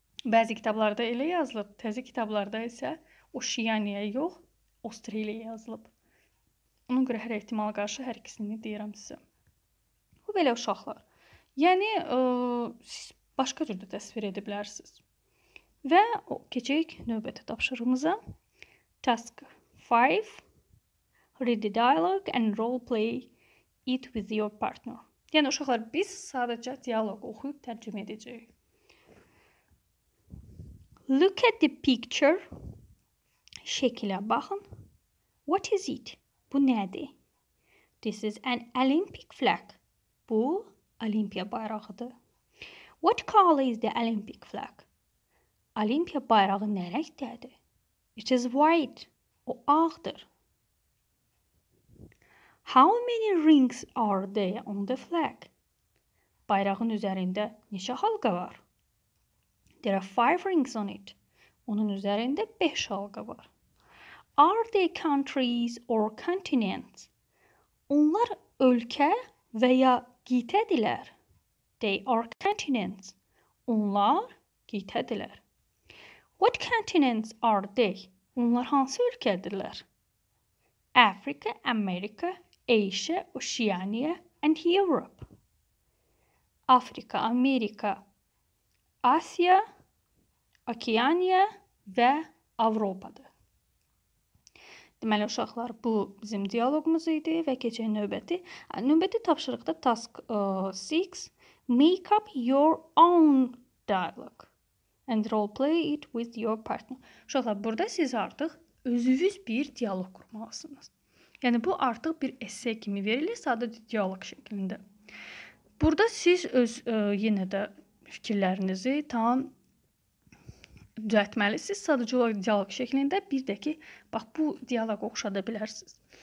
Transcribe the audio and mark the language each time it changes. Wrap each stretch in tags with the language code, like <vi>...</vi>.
<az>Bəzi kitablarda elə yazılıb, təzə kitablarda isə Oceania yox, Australia yazılıb. Ona görə hər ehtimal qarşı hər ikisini deyirəm sizə. Bu belə uşaqlar. Yəni, siz başqa cür də təsvir edə bilərsiniz. Və keçək növbəti tapşırığımıza.</az> <en>Task 5. Read the dialogue and role play it with your partner.</en> <az>Yəni, uşaqlar, biz sadəcə dialogu oxuyub tərcümə edəcəyik.</az> <en>Look at the picture.</en> <az>Şəkilə baxın.</az> <en>What is it?</en> <az>Bu nədir?</az> <en>This is an Olympic flag.</en> <az>Bu, olimpiya bayrağıdır.</az> <en>What color is the Olympic flag?</en> <az>Olimpiya bayrağı nə rəngdədir?</az> <en>It is white.</en> <az>O, ağdır.</az> <en>How many rings are there on the flag?</en> <az>Bayrağın üzərində neçə halqa var?</az> <en>There are 5 rings on it.</en> <az>Onun üzərində 5 halqa var.</az> <en>Are they countries or continents?</en> <az>Onlar ölkə və ya qitədilər.</az> <en>They are continents.</en> <az>Onlar qitədilər.</az> <en>What continents are they?</en> <az>Onlar hansı ölkədirlər?</az> <en>Africa, America, Asia, Oceania and Europe.</en> <az>Afrika, Amerika, Asiya, Okeaniya və Avropadır. Deməli, uşaqlar, bu bizim dialogumuz idi və keçək növbəti. Növbəti tapşırıqda task 6. Make up your own dialogue and role play it with your partner. Uşaqlar, burada siz artıq özünüz bir dialog qurmalısınız. Yəni, bu artıq bir essay kimi verilir, sadəcə dialog şəklində. Burada siz öz yenə də fikirlərinizi tam düzəltməlisiniz, sadəcə olaraq dialog şəklində, bir də ki, bax, bu dialogu oxşada bilərsiniz.</az>